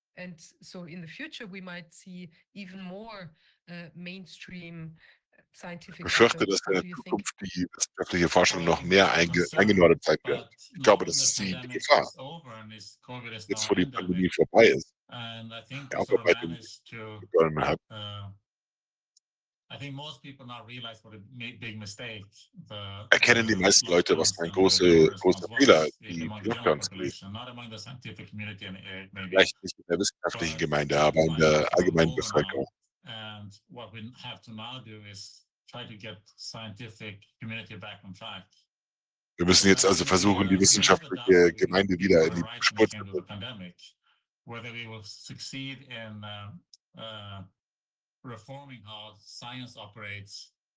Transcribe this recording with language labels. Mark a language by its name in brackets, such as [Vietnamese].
[English] And so in the future, we might see even more mainstream scientific. [German] Ich fürchte, dass in der Zukunft die wissenschaftliche Forschung noch mehr eingenordet sein wird. Ich glaube, das ist die Gefahr. Jetzt, wo die Pandemie vorbei ist, auch bei dem Corona hat. [English] I think most people now realize what a big mistake the [German] erkennen die meisten Leute, was ein großer Fehler die Lockdowns gewesen. Vielleicht nicht in der wissenschaftlichen Gemeinde, aber in der allgemeinen Bevölkerung. [English] And what we have to now do is try to get scientific community back on track. [German] Wir müssen jetzt also versuchen, die wissenschaftliche Gemeinde wieder in die Spur zu bringen. [English] Whether we will succeed in reforming how science operates